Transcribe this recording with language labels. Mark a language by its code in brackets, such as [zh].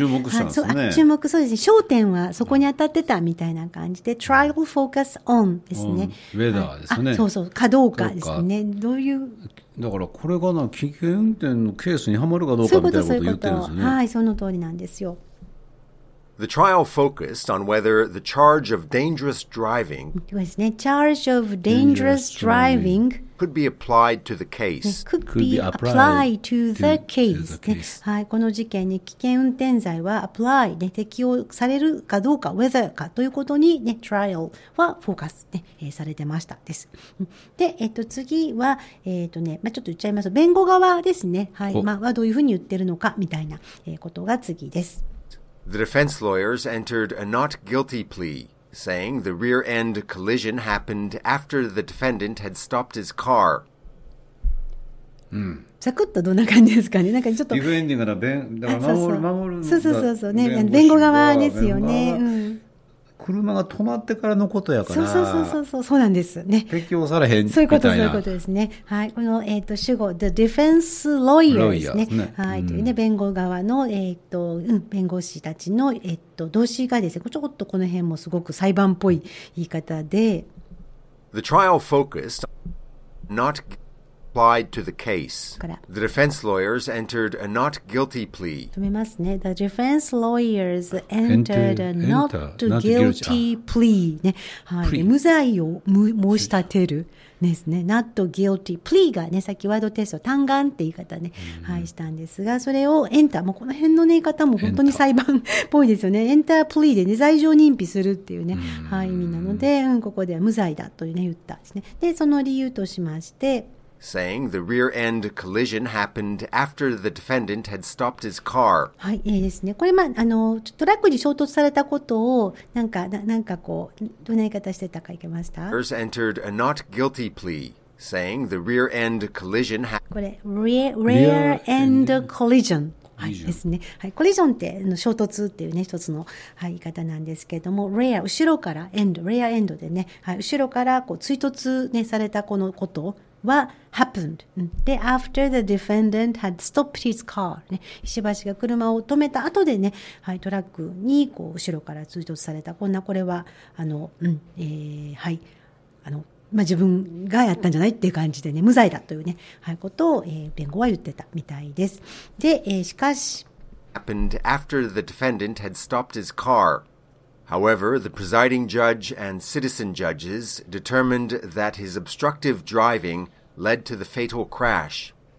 [ja] フォーカス、注目したんですね。焦点はそこに当たってたみたいな感じで、 [en] trial focus on [ja] ですね。ウェダーですね。そうそう、かどうかですね。どういう。だからこれがな、危険運転のケースにはまるかどうかみたいなことを言ってるんですね。はい、その通りなんですよ。 [en] The trial focused on whether the charge of dangerous driving, charge of dangerous driving could be applied to the case. [ja] はい、この事件に危険運転罪は apply、ね、適用されるかどうか、whether かということに、ね、trial はフォーカス、ね、されてましたです。で、次は、ね、まあ、ちょっと言っちゃいます。弁護側ですね。はい、まあ、どういうふうに言ってるのかみたいなことが次です。 [en] The defense lawyers entered a not guilty plea, saying the rear-end collision happened after the defendant had stopped his car. [ja] サクッとどんな感じですかね。なんかちょっとギフエンディングなら弁だから守る。そうそうそうそうね、弁護側ですよね。車が止まってからのことやから。そうなんですね。適用されへんみたいな。そういうことですね。はい、この主語 [en] the defense lawyer [ja] ですね。はい、というね、弁護側の弁護士たちの動詞がですね、ちょっとこの辺もすごく裁判っぽい言い方で。 [en] The trial focused not applied to the case. The defense lawyers entered a not guilty plea. [ja] 止めますね。 [en] The defense lawyers entered a not guilty plea. [ja] ね、はい、無罪を申し立てるですね。 [en] Not guilty plea [ja] がね、先ワードテスト単眼って言い方ね、はい、したんですが、それをエンター、もうこの辺のね言い方も本当に裁判っぽいですよね。エンタープリーでね、罪状認否するっていうね、はい、意味なので、ここでは無罪だというね言ったんですね。で、その理由としまして。 [en] Saying the rear-end collision happened after the defendant had stopped his car. [ja] はい、いいですね。これ、まあ、トラックに衝突されたことを、なんかこう、どんな言い方してたかいけました? [en] Lawyers entered a not guilty plea, saying the rear-end collision happened. [ja] これ、 [en] rear-end collision。 [ja] はい、ですね。はい、コリジョンって、衝突っていうね、一つの、はい、言い方なんですけども、レア、後ろから、エンド、レアエンドでね、はい、後ろから、こう、追突ね、されたこのこと、は happened で [en] after the defendant had stopped his car [ja] ね、石橋が車を止めた後でね、はい、トラックにこう後ろから追突された、こんな、これははい、まあ、自分がやったんじゃないっていう感じでね、無罪だというね、はい、ことを、弁護は言ってたみたいです。で、しかし [en] happened after the defendant had stopped his car。 However, the presiding judge and citizen judges determined that his obstructive driving led to the fatal crash.